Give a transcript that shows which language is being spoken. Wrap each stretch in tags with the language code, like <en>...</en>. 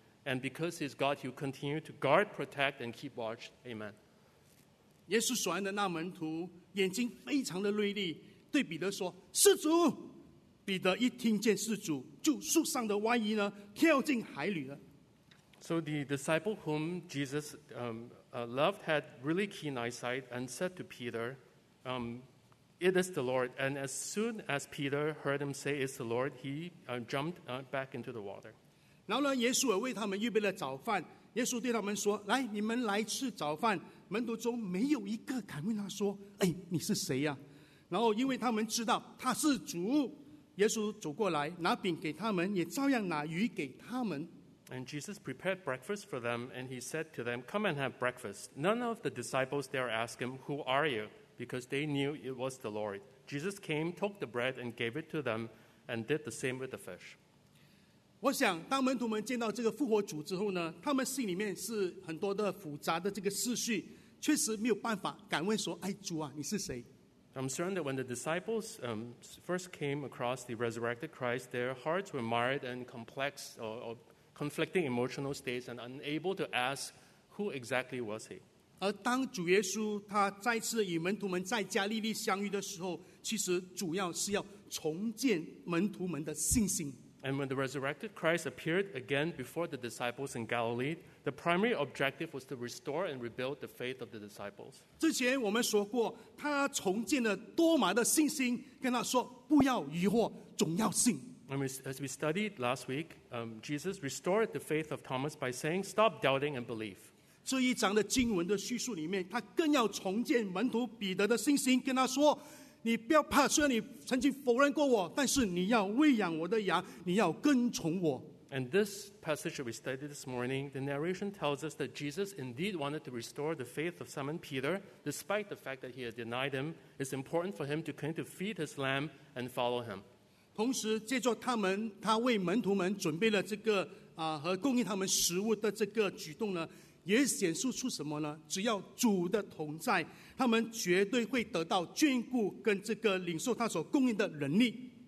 <en>And because He is God, He will continue to guard, protect, and keep watch. Amen.</en> <zh>耶稣所爱的那门徒眼睛非常的锐利，对彼得说：“是主。” 彼得一听见是主，就束上的外衣呢，跳进海里了。</zh> <en>So the disciple whom Jesus loved had really keen eyesight and said to Peter, it is the Lord. And as soon as Peter heard him say, it's the Lord, he jumped back into the water.</en> <zh>然后呢，耶稣也为他们预备了早饭。耶稣对他们说，来，你们来吃早饭。门徒中没有一个敢问他说，哎，你是谁呀？然后因为他们知道他是主，耶稣走过来，拿饼给他们，也照样拿鱼给他们。</zh> <en>And Jesus prepared breakfast for them, and he said to them, Come and have breakfast. None of the disciples there asked him, Who are you? Because they knew it was the Lord. Jesus came, took the bread, and gave it to them, and did the same with the fish.</en> <zh>我想当门徒们见到这个复活主之后呢，他们心里面是很多的复杂的这个思绪，确实没有办法敢问说，哎，主啊，你是谁？</zh> <en>I'm certain that when the disciples first came across the resurrected Christ, their hearts were mired and complex or conflicting emotional states and unable to ask who exactly was he.</en> <zh>而当主耶稣他再次与门徒们在加利利相遇的时候，其实主要是要重建门徒们的信心。</zh> <en>And when the resurrected Christ appeared again before the disciples in Galilee, the primary objective was to restore and rebuild the faith of the disciples.</en> <zh>之前我们说过，他重建了多马的信心，跟他说不要疑惑，总要信。</zh> <en>As we studied last week, Jesus restored the faith of Thomas by saying, Stop doubting and believe.</en> <zh>这一章的经文的叙述里面，他更要重建门徒彼得的信心，跟他说，你不要怕，虽然你曾经否认过我，但是你要喂养我的羊，你要跟从我。</zh> <en>And this passage that we studied this morning, the narration tells us that Jesus indeed wanted to restore the faith of Simon Peter, despite the fact that he had denied him. It's important for him to continue to feed his lamb and follow him.</en> <zh>同时借着他为门徒们准备了这个和供应他们食物的这个举动呢，也显示出什么呢？只要主的同在，他们绝对会得到眷顾跟这个领受他所供应的能力。</zh>